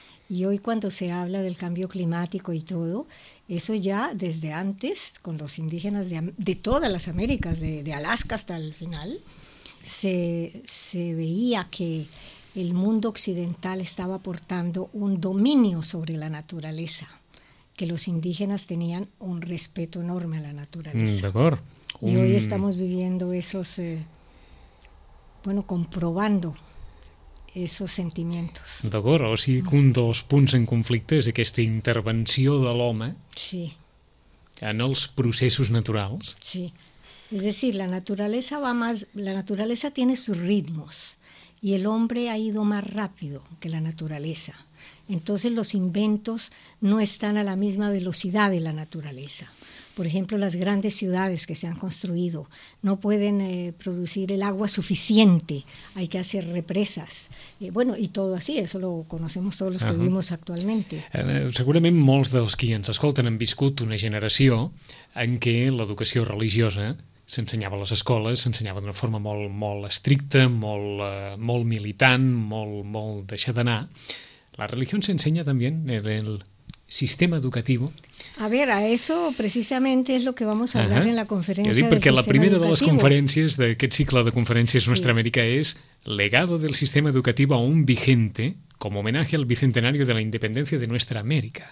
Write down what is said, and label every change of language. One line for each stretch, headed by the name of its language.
Spanish: Y hoy cuando se habla del cambio climático y todo, eso ya desde antes, con los indígenas de todas las Américas, de Alaska hasta el final, se veía que el mundo occidental estaba aportando un dominio sobre la naturaleza, que los indígenas tenían un respeto enorme a la naturaleza. De acuerdo. Y hoy estamos viviendo esos, bueno, comprobando esos sentimientos.
Catalan: D'acord, o sigui que un dels punts en conflicte és aquesta intervenció de l'home, sí, en els processos naturals.
Spanish: Sí, es decir, la naturaleza va más, la naturaleza tiene sus ritmos y el hombre ha ido más rápido que la naturaleza. Entonces los inventos no están a la misma velocidad de la naturaleza. Por ejemplo, las grandes ciudades que se han construido no pueden producir el agua suficiente, hay que hacer represas. Bueno, y todo así, eso lo conocemos todos los que uh-huh. vivimos actualmente.
Catalan: Segurament molts dels qui ens escolten han viscut una generació en què l'educació religiosa s'ensenyava a les escoles, s'ensenyava d'una forma molt, molt estricta, molt, molt militant, molt, molt deixar d'anar.
Spanish: La religión se enseña también en el sistema educativo. A ver, a eso precisamente es lo que vamos a hablar en la conferencia. Ya digo, porque la primera educativo. De las conferencias de este ciclo de conferencias sí. Nuestra América es legado del sistema educativo aún vigente como homenaje al bicentenario de la independencia de nuestra América.